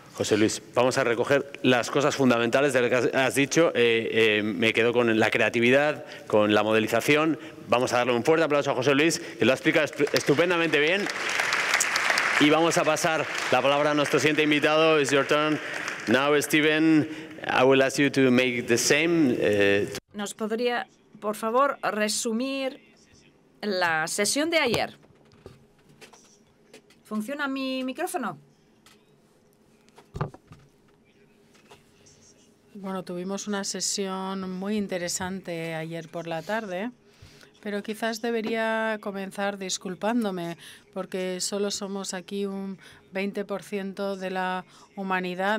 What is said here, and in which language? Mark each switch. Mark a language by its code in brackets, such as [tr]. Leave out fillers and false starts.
[es] José Luis, vamos a recoger las cosas fundamentales de lo que has dicho. Me quedo con la creatividad, con la modelización. Vamos a darle un fuerte aplauso a José Luis, que lo ha explicado estupendamente bien. Y vamos a pasar la palabra a nuestro siguiente invitado. [en] It's your turn. Now, Steven, I will ask you to make the same. [es] ¿Nos podría, por favor, resumir la sesión de ayer? ¿Funciona mi micrófono? Bueno, tuvimos una sesión muy interesante ayer por la tarde, pero quizás debería comenzar disculpándome porque solo somos aquí un 20% de la humanidad.